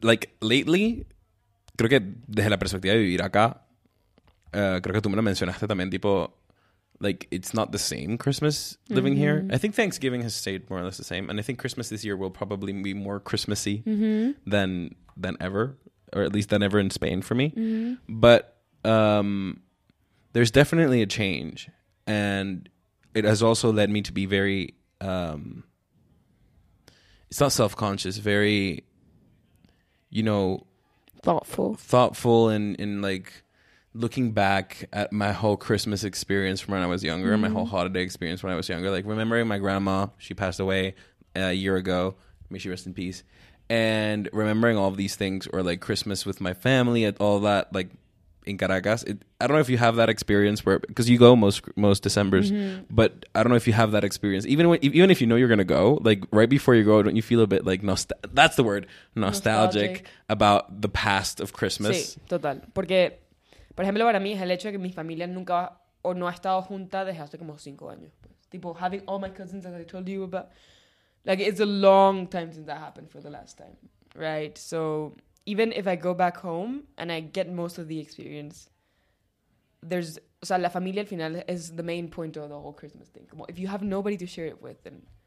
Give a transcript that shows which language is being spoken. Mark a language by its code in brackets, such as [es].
[en] Like, lately, [es] creo que desde la perspectiva de vivir acá, creo que tú me lo mencionaste también, tipo... [en] Like, it's not the same Christmas living here. I think Thanksgiving has stayed more or less the same. And I think Christmas this year will probably be more Christmassy than ever. Or at least than ever in Spain for me. Mm-hmm. But there's definitely a change. And it has also led me to be very... it's not self-conscious. Very, you know... Thoughtful and like... Looking back at my whole Christmas experience from when I was younger, my whole holiday experience when I was younger, like remembering my grandma, she passed away a year ago, may she rest in peace, and remembering all of these things, or like Christmas with my family, and all that, like in Caracas. I don't know if you have that experience where, because you go most Decembers, but I don't know if you have that experience. Even if you know you're going to go, like right before you go, don't you feel a bit like, that's the word, nostalgic about the past of Christmas? [es] Sí, total. Porque... Por ejemplo, para mí es el hecho de que mi familia nunca o no ha estado junta desde hace como 5 años. Tipo, [en] having all my cousins, as I told you about. Like, it's a long time since that happened for the last time. Right? So, even if I go back home and I get most of the experience, there's... [es] O sea, la familia al final [en] is the main point of the whole Christmas thing. [es] Como, [en] if you have nobody to share it with, then...